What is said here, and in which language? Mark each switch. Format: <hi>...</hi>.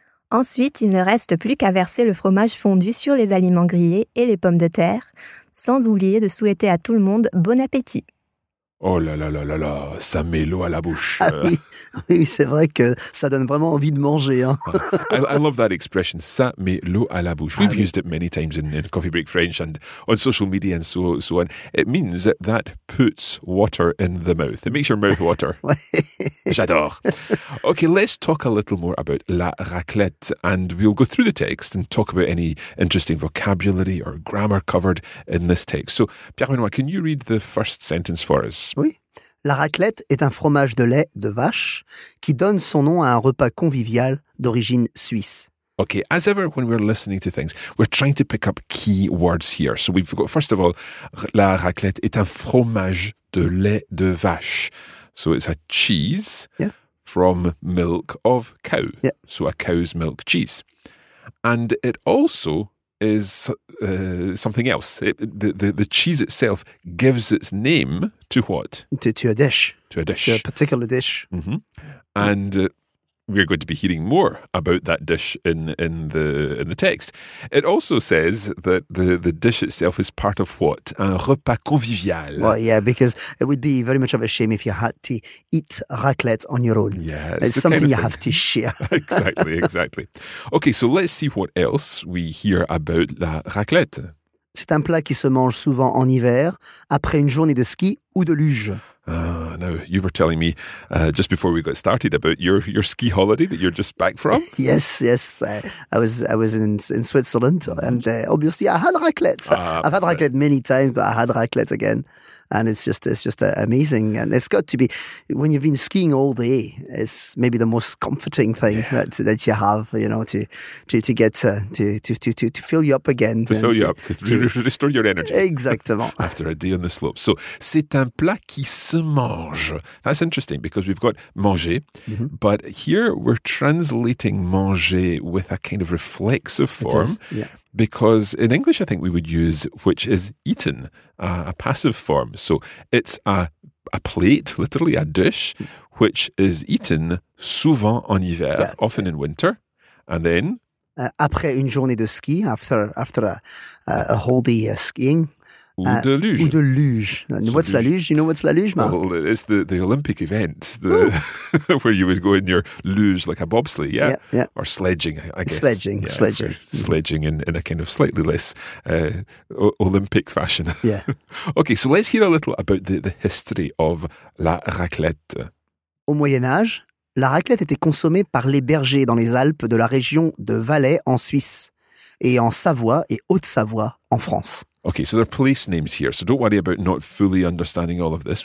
<fr>Ensuite, il ne reste plus qu'à verser le fromage fondu sur les aliments grillés et les pommes de terre, sans oublier de souhaiter à tout le monde bon appétit. Oh là là là là là, ça met l'eau à la bouche. Ah oui, Oui, c'est vrai que ça donne vraiment envie de manger. Hein.</fr> <en>I love that expression,</en> <fr>ça met l'eau à la bouche.</fr> <en>We've used it many times in Coffee Break French and on social media and so on. It means that puts water in the mouth. It makes your mouth water.</en> <fr>J'adore.</fr> <en>Okay, let's talk a little more about la raclette and we'll go through the text and talk about any interesting vocabulary or grammar covered in this text. So, Pierre-Benoît, can you read the first sentence for us?</en> <fr>Oui. La raclette est un fromage de lait de vache qui donne son nom à un repas convivial d'origine suisse.</fr> <en>Okay, as ever, when we're listening to things, we're trying to pick up key words here. So we've got, first of all,</en> <fr>la raclette est un fromage de lait de vache.</fr> <en>So it's a cheese from milk of cow. Yeah. So a cow's milk cheese. And it also is something else. The cheese itself gives its name to what? To a dish. To a dish. To a particular dish. Mm-hmm. And we're going to be hearing more about that dish in the text. It also says that the dish itself is part of what?</en> <fr>Un repas convivial.</fr> <en>Well, yeah, because it would be very much of a shame if you had to eat raclette on your own. Yeah, it's something kind of you have to share. Exactly, exactly. Okay, so let's see what else we hear about la raclette.</en> <fr>C'est un plat qui se mange souvent en hiver, après une journée de ski ou de luge.</fr> <en>Now, you were telling me just before we got started about your ski holiday that you're just back from. Yes. I was in Switzerland and obviously I had raclette. I've had raclette many times, but I had raclette again. And it's just amazing. And it's got to be, when you've been skiing all day, it's maybe the most comforting thing that you have, you know, to get to fill you up again. To restore your energy.</en> <fr>Exactement.</fr> <en>After a day on the slope. So,</en> <fr>c'est un plat qui se mange.</fr> <en>That's interesting because we've got manger, but here we're translating manger with a kind of reflexive form. It is, yeah. Because in English, I think we would use, which is eaten, a passive form. So it's a plate, literally a dish, which is eaten</en> <fr>souvent en hiver,</fr> <en>often in winter. And then?</en> <fr>Après une journée de ski,</fr> <en>after a whole day skiing.</en> <fr>Ou de luge.</fr> <en>So what's luge. La luge? You know what's la luge, Mark? Well, it's the Olympic event where you would go in your luge like a bobsleigh, yeah. Or sledging, I guess. Sledging. Sledging in a kind of slightly less Olympic fashion. Yeah. Okay, so let's hear a little about the history of la raclette.</en> <fr>Au Moyen-Âge, la raclette était consommée par les bergers dans les Alpes de la région de Valais en Suisse et en Savoie et Haute-Savoie en France.</fr> <en>Okay, so there are place names here. So don't worry about not fully understanding all of this.</en>